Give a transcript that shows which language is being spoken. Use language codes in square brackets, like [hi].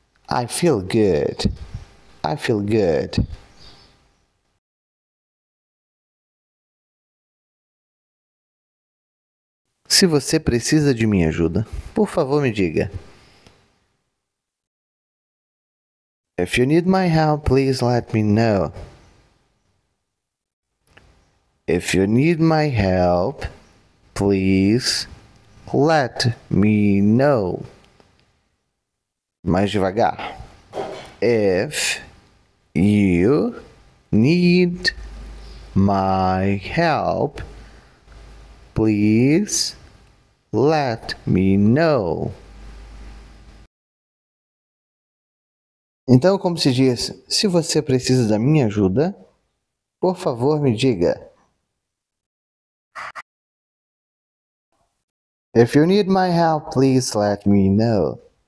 [en] I feel good. I feel good. [pt] Se você precisa de minha ajuda, por favor me diga. [en] If you need my help, please let me know. If you need my help, please let me know. Mais devagar. If you need my help, please let me know. [pt] Então, como se diz, se você precisa da minha ajuda, por favor me diga. [en] If you need my help, please let me know.